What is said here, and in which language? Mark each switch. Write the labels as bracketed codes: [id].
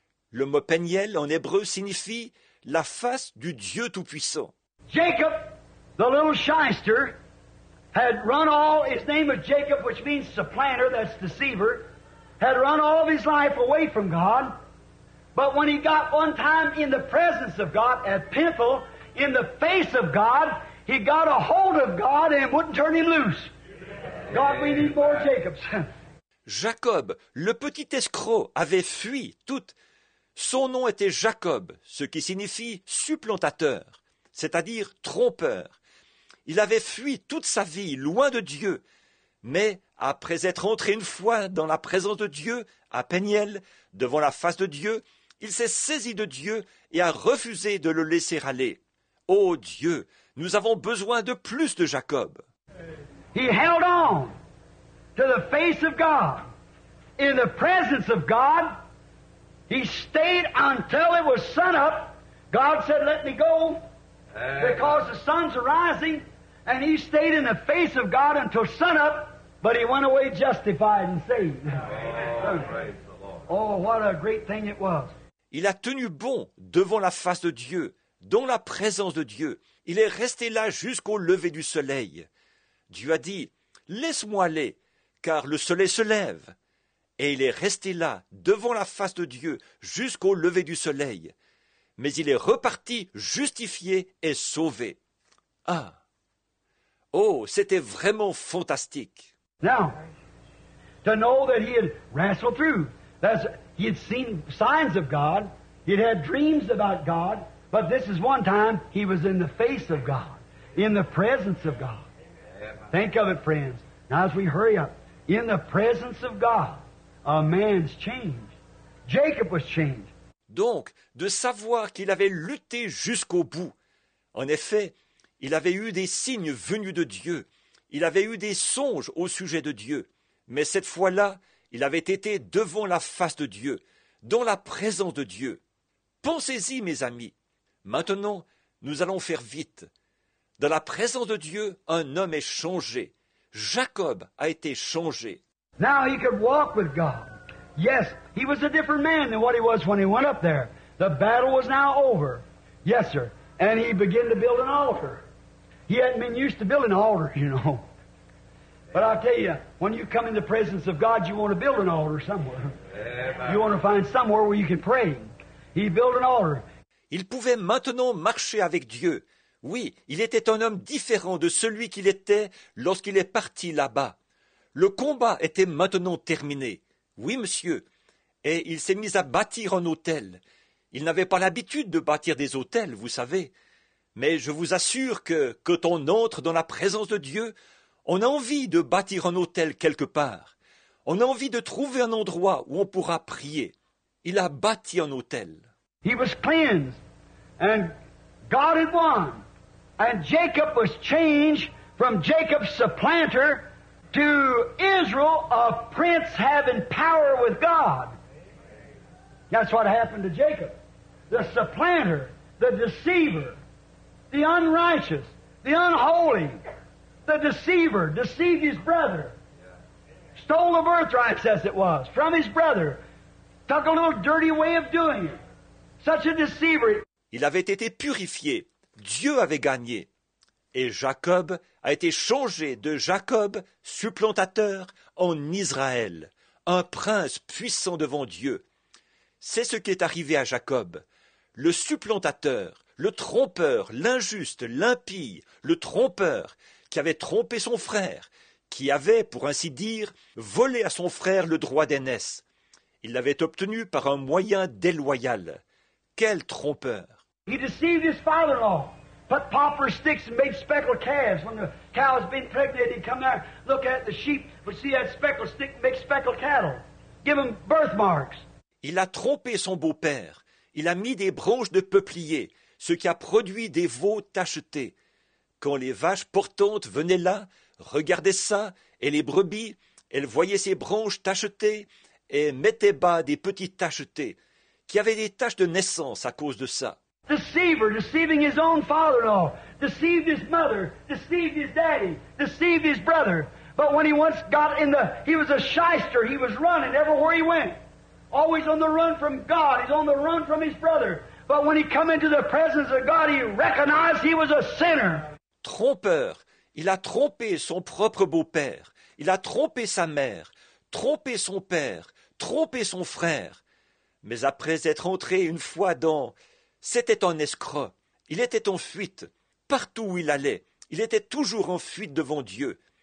[fr] Le mot Peniel en hébreu signifie la face du Dieu Tout-Puissant. [en] Jacob, the little shyster, had run all, his name was Jacob, which means supplanter, that's deceiver, had run all of his life away from God. But when he got one time in the presence of God at Peniel, in the face of God, he got a hold of God and wouldn't turn him loose. God, we need more Jacobs. [fr] Jacob, le petit escroc, avait fui tout. Son nom était Jacob, ce qui signifie supplantateur, c'est-à-dire trompeur. Il avait fui toute sa vie loin de Dieu, mais après être entré une fois dans la présence de Dieu, à Peniel, devant la face de Dieu, il s'est saisi de Dieu et a refusé de le laisser aller. Ô Dieu, nous avons besoin de plus de Jacob. [en] He held on to the face of God, in the presence of God. He stayed until it was sun up. God said, let me go, because the sun's rising. And he stayed in the face of God until sun up, but he went away justified and saved. Oh, praise the Lord. Oh, what a great thing it was. [fr] Il a tenu bon devant la face de Dieu, dans la présence de Dieu. Il est resté là jusqu'au lever du soleil. Dieu a dit, laisse-moi aller, car le soleil se lève. Et il est resté là, devant la face de Dieu, jusqu'au lever du soleil. Mais il est reparti, justifié et sauvé. Ah! Oh, c'était vraiment fantastique! [en] Now, to know that he had wrestled through, that he had seen signs of God, he had dreams about God, but this is one time he was in the face of God, in the presence of God. Think of it, friends. Now, as we hurry up, in the presence of God, a man's changed. Jacob was changed. [fr] Donc, de savoir qu'il avait lutté jusqu'au bout. En effet, il avait eu des signes venus de Dieu. Il avait eu des songes au sujet de Dieu. Mais cette fois-là, il avait été devant la face de Dieu, dans la présence de Dieu. Pensez-y, mes amis. Maintenant, nous allons faire vite. Dans la présence de Dieu, un homme est changé. Jacob a été changé. [en] Now he could walk with God. Yes, he was a different man than what he was when he went up there. The battle was now over. Yes, sir. And he began to build an altar. He hadn't been used to building altars, you know. But I'll tell you, when you come in the presence of God, you want to build an altar somewhere. You want to find somewhere where you can pray. He built an altar. [fr] Il pouvait maintenant marcher avec Dieu. Oui, il était un homme différent de celui qu'il était lorsqu'il est parti là-bas. Le combat était maintenant terminé. Oui, monsieur. Et il s'est mis à bâtir un autel. Il n'avait pas l'habitude de bâtir des autels, vous savez. Mais je vous assure que, quand on entre dans la présence de Dieu, on a envie de bâtir un autel quelque part. On a envie de trouver un endroit où on pourra prier. Il a bâti un autel. [en] He was cleansed, and God had won. And Jacob was changed from Jacob's supplanter to Israel, a prince having power with God. That's what happened to Jacob. The supplanter, the deceiver, the unrighteous, the unholy, the deceiver, deceived his brother. Stole the birthright, as it was, from his brother. Took a little dirty way of doing it. Such a deceiver. [fr] Il avait été purifié. Dieu avait gagné. Et Jacob a été changé de Jacob, supplantateur, en Israël, un prince puissant devant Dieu. C'est ce qui est arrivé à Jacob. Le supplantateur, le trompeur, l'injuste, l'impie, le trompeur qui avait trompé son frère, qui avait, pour ainsi dire, volé à son frère le droit d'aînesse. Il l'avait obtenu par un moyen déloyal. Quel trompeur! [en] He deceived his father-in-law. Put pauper sticks and made speckled calves. When the cow has been pregnant, he'd come there, look at the sheep, would see that speckled stick and make speckled cattle. Give them birthmarks. [fr] Il a trompé son beau-père. Il a mis des branches de peuplier, ce qui a produit des veaux tachetés. Quand les vaches portantes venaient là, regardaient ça, et les brebis, elles voyaient ces branches tachetées et mettaient bas des petits tachetés, qui avaient des taches de naissance à cause de ça. [en] Deceiver, deceiving his own father-in-law, deceived his mother, deceived his daddy, deceived his brother. But when he once got in the, he was a shyster, he was running everywhere he went. Always on the run from God, he's on the run from his brother. But when he come into the presence of God, he recognized he was a sinner. [fr] Trompeur, Il a trompé son propre beau-père. Il a trompé sa mère, trompé son père, trompé son frère. Mais après être entré une fois dans... C'était un escroc. Il était en fuite. Partout où il allait, il était toujours en fuite devant Dieu.